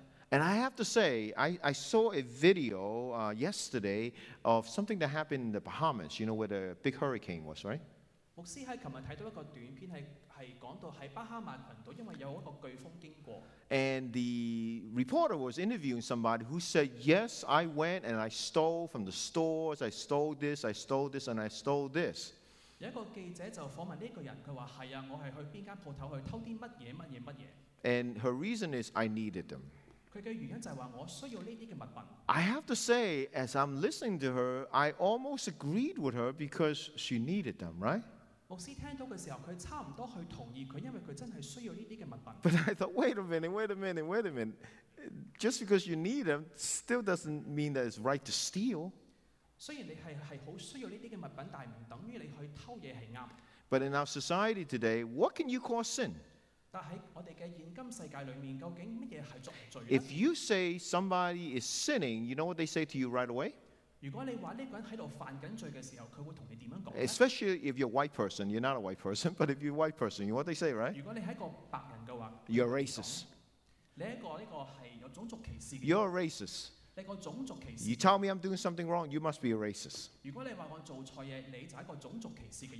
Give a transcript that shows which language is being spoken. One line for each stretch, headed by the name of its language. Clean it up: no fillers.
English: And I have to say, I saw a video yesterday of something that happened in the Bahamas, you know where the big hurricane was, right?
Cantonese: 牧師喺琴日睇到一個短片，係講到喺巴哈馬群島，因為有一個颶風經過。
English: And the reporter was interviewing somebody who said, "Yes, I went and I stole from the stores. I stole this, I stole this, and I stole this."
Cantonese: 有一個記者就訪問呢個人，佢話：係啊，我係去邊間鋪頭去偷啲乜嘢乜嘢乜嘢。
English: And her reason is, I needed them.
Cantonese: 佢嘅原因就係話：我需要呢啲嘅物品。
English: I have to say, as I'm listening to her, I almost agreed with her because she needed them, right?
Cantonese: 牧師聽到嘅時候，佢差唔多去同意佢，因為佢真係需要呢啲嘅物品。
English: But I thought, wait a minute. Just because you need them, still doesn't mean that it's right to steal.
Cantonese: 雖然你係好需要呢啲嘅物品，但係唔等於你去偷嘢係啱。
English: But in our society today, what can you call sin?
Cantonese: 但喺我哋嘅現今世界裏面，究竟乜嘢係作罪
English: ？If you say somebody is sinning, you know what they say to you right away?
Cantonese: 如果你話呢個人喺度犯緊罪嘅時候，佢會同你點樣講
English: ？Especially if you're a white person, you're not a white person, but if you're a white person, you know what they say, right?
Cantonese: 如果你係一個白人嘅話
English: ，You're racist.
Cantonese: 你係一個係有種族歧視嘅。
English: You're a racist.
Cantonese: 你個種族歧視。
English: You tell me I'm doing something wrong, you must be a racist.
Cantonese: 如果你話我做錯嘢，你就係一個種族歧視嘅人。